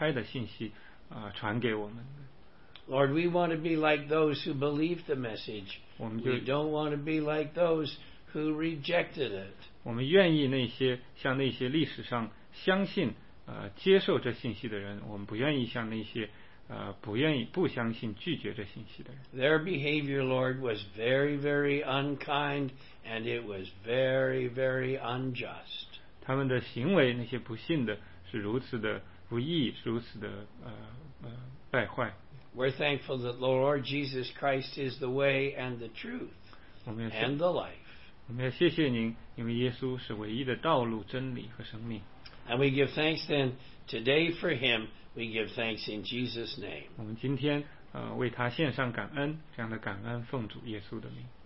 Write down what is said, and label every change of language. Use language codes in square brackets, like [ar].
[zh] 主啊，求您把这信息，就是大的分开的信息，传给我们。 [en] Lord, we want to be like those who believe the message. We don't want to be like those who rejected it. [zh] 我们愿意那些像那些历史上相信，接受这信息的人，我们不愿意像那些。不愿意不相信拒绝这信息的人。 [en] Their behavior, Lord, was very, very unkind, and it was very, very unjust. [zh] 他们的行为，那些不信的，是如此的不义，如此的败坏。 [en] We're thankful that the Lord Jesus Christ is the way and the truth and the life. [zh] 我们要谢谢您，因为耶稣是唯一的道路、真理和生命。 [en] And we give thanks then today for him. We give thanks in Jesus' name. [zh] 我们今天为他献上感恩，这样的感恩奉主耶稣的名。